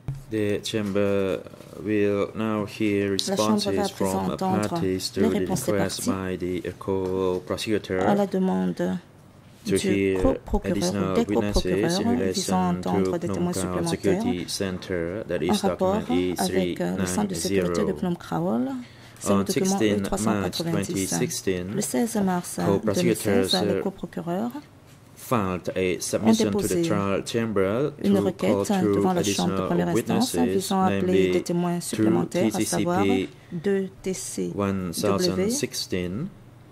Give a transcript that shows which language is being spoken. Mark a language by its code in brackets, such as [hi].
[en] The chamber will now hear responses from parties to the request by the co-prosecutor [fr] à la demande du co-procureur ou des co-procureurs visant à entendre des témoins supplémentaires en rapport avec le centre de sécurité de Phnom Krahul. C'est le document E390. Le 16 mars 2016, le co-procureur [en] filed a submission to the trial chamber [fr] une requête devant la chambre de première instance visant à appeler des témoins supplémentaires, à savoir deux TCW-1017